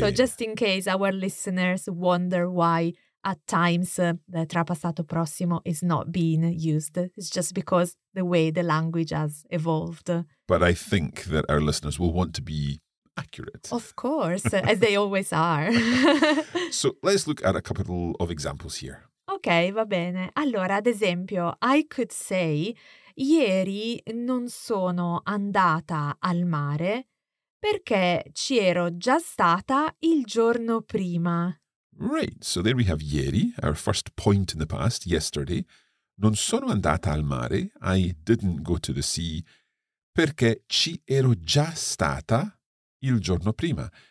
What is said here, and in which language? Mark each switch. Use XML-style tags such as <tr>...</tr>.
<en>So just in case our listeners wonder why at times the trapassato prossimo is not being used, it's just because the way the language has evolved. But I think that our listeners will want to be accurate. Of course, as they always are. So let's look at a couple of examples here.</en> <it>Okay, va bene. Allora, ad esempio,</it> <en>I could say,</en> <it>ieri non sono andata al mare perché ci ero già stata il giorno prima.</it> <en>Right, so there we have ieri, our first point in the past, yesterday.</en> <it>Non sono andata al mare,</it> <en>I didn't go to the sea,</en> <it>perché ci ero già stata il giorno prima.</it>